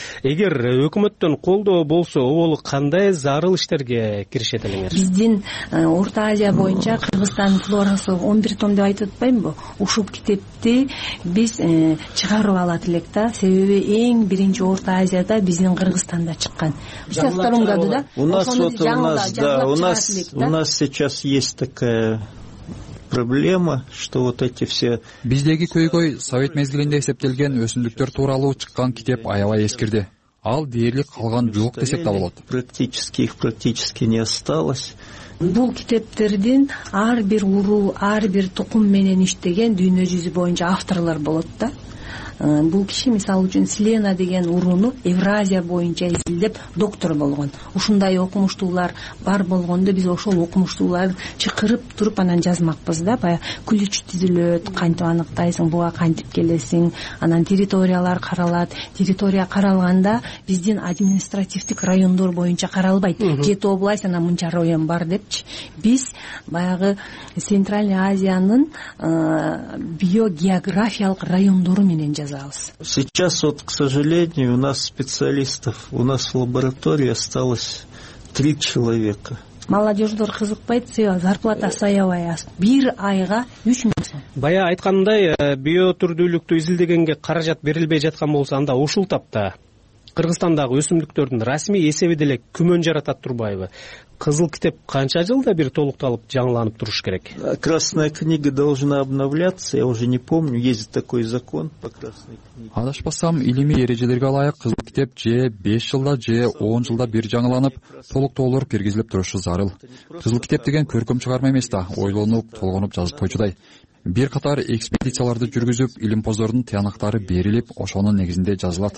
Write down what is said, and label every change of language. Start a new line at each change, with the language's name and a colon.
Kyrgyz: Эгер өкмөттөн колдоо болсо, оболу кандай зарыл иштерге киришет элеңер? Биздин Орто Азия боюнча Кыргызстандын флорасы 11 том деп айтып атпаймынбы? Ушул китепти биз чыгарып алат элек да, себеби эң биринчи Орто Азияда биздин Кыргызстанда чыккан.
Russian: Вся втором году, да? У нас сейчас есть такая проблема, что вот эти все
Kyrgyz: биздеги көйгөй совет мезгилинде эсептелген өсүмдүктөр тууралуу чыккан китеп аябай эскирди. Ал дээрлик калган жок десек да болот.
Russian: Практически их практически не осталось.
Kyrgyz: Бул китептердин ар бир уруу, ар бир тукум менен иштеген дүйнө жүзү боюнча авторлор болот да. Бул киши мисалы үчүн Селена деген урууну Евразия боюнча изилдеп доктор болгон. Ушундай окумуштуулар бар болгондо биз ошол окумуштууларды чакырып туруп анан жазмакпыз да. Бая күлүч түзүлөт, кантип аныктайсың, буга кантип келесиң, анан территориялар каралат. Территория каралганда биздин административдик райондор боюнча каралбайт. Жети область, анан мынча район бар депчи. Биз баягы Центральный Азиянын биогеографиялык райондору менен
Russian: Сейчас вот, к сожалению, у нас специалистов, у нас в лаборатории осталось 3 человека.
Kyrgyz: Молодежь кызыкпайт, зарплата саябай аз. Бир айга 3000 сом. Бая айткандай, биотүрдүүлүктү изилдегенге каражат берилбей жаткан болсо, анда ушул тапта Кыргызстандагы өсүмдүктөрдүн расмий эсеби деле күмөн жаратат турбайбы? Кызыл китеп канча жылда бир толукталып, жаңыланып туруш керек?
Russian: Красная книга должна обновляться, я уже не помню, есть такой закон по красной книге.
Kyrgyz: Адашпасам, илимий эрежелерге ылайык, кызыл китеп же 5 жылда, же 10 жылда бир жаңыланып, толуктоолор киргизилип турушу зарыл. Кызыл китеп деген көркөм чыгарма эмес да, ойлонуп, толгонуп жазып койчудай. Бир катар экспедицияларды жүргүзүп, илимпоздордун тыянактары берилип, ошонун негизинде жазылат.